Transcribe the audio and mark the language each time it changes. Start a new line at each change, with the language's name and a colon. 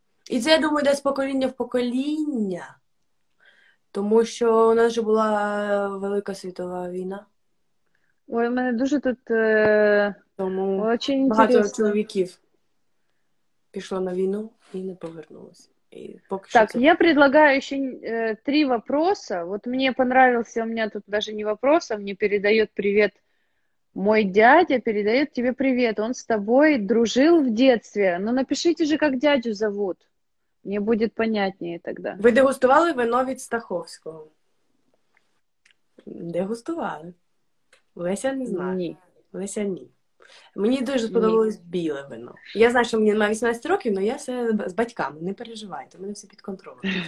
Ukrainian: І це, я думаю, десь покоління в покоління. Тому що у нас же була велика світова війна. Ой, у мене дуже тут тому дуже багато інтересно. Чоловіків пішло на війну і не повернулося.
Russian: Так, я предлагаю еще три вопроса. Вот мне понравился, у меня тут даже не вопрос, а мне передает привет мой дядя, передает тебе привет. Он с тобой дружил в детстве. Ну, напишите же, как дядю зовут. Мне будет понятнее тогда.
Ukrainian: Вы дегустували вино від Стаховського? Дегустували. Леся не знаю. Ні. Леся ні. Мені дуже сподобалось ні. Біле вино. Я знаю, що мені 18 років, але я все з батьками, не переживайте, у мене все під контролем.